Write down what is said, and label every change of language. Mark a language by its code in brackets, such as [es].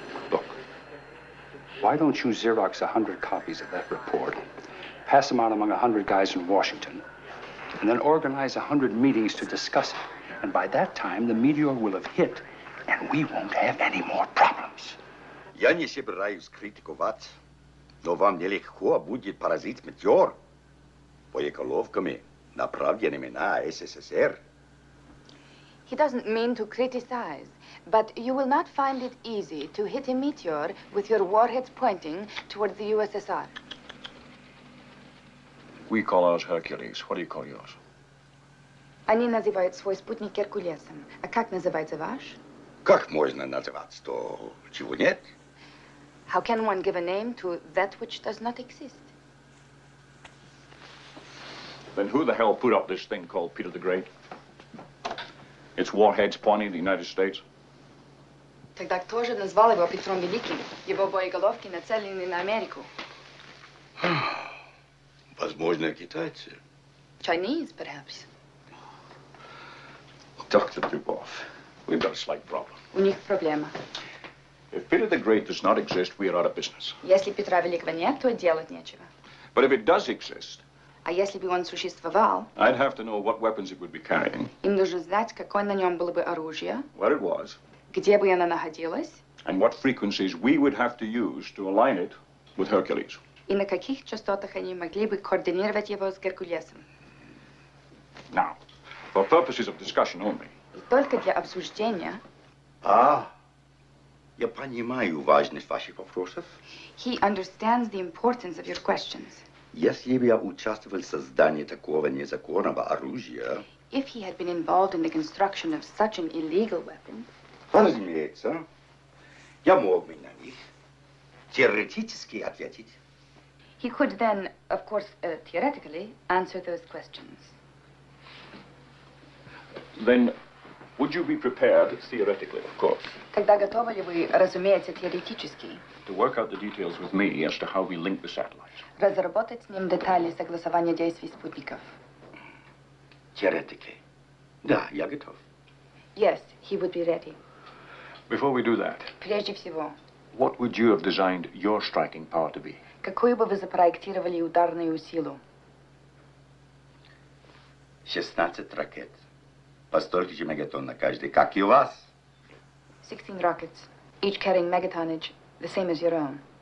[en] Look, why don't you Xerox 100 copies of that report, pass them out among 100 guys in Washington, and then organize 100 meetings to discuss it. And by that time, the meteor will have hit, and we won't have any more problems. [ru] Я не собираюсь критиковать, но вам нелегко будет поразить метеор боеголовками, направленными на СССР. [en] He doesn't mean to criticize, but you will not find it easy to hit a meteor with your warheads pointing towards the USSR. We call ours Hercules. What do you call yours? [ru] Они называют свой спутник Геркулесом. А как называется ваш? Как можно называть то, чего нет? [en] How can one give a name to that which does not exist? Then who the hell put up this thing called Peter the Great? It's warheads pointing the United States. [ru] Тогда кто же назвал его Петром Великим? Его боеголовки нацелены на Америку. Возможно, китайцы. [en] Chinese, perhaps. Dr. Dubov, we've got a slight problem. [ru] У них проблема. [en] If Peter the Great does not exist, we are out of business. [ru] Если Петра Великого нет, то делать нечего. [en] But if it does exist... [ru] А если бы он существовал... [en] I'd have to know what weapons it would be carrying. [ru] Им нужно знать, какое на нем было бы оружие. [en] Where it was. [ru] Где бы оно находилось. [en] And what frequencies we would have to use to align it with Hercules. [ru] И на каких частотах они могли бы координировать его с Геркулесом. [en] Now, for purposes of discussion only. [ru] И только для обсуждения. А, я понимаю важность ваших вопросов. [en] He understands the importance of your questions. [ru] Если бы я участвовал в создании такого незаконного оружия... [en] If he had been involved in the construction of such an illegal weapon... [ru] Разумеется, я мог бы на них теоретически ответить. [en] He could then, of course, theoretically, answer those questions. Then, would you be prepared, theoretically, of course? [ru] Тогда готовы ли вы, разумеется, теоретически? [en] To work out the details with me as to how we link the satellites. [ru] Разработать с ним детали согласования действий спутников. Теоретики. Да, я готов. [en] Yes, he would be ready. Before we do that... [ru] Прежде всего... [en] What would you have designed your striking power to be? [ru] Какую бы вы запроектировали ударную силу? 16 ракет. По столько же мегатон на каждый, как и у вас. [en] 16 rockets, each carrying megatonnage, the same as your own.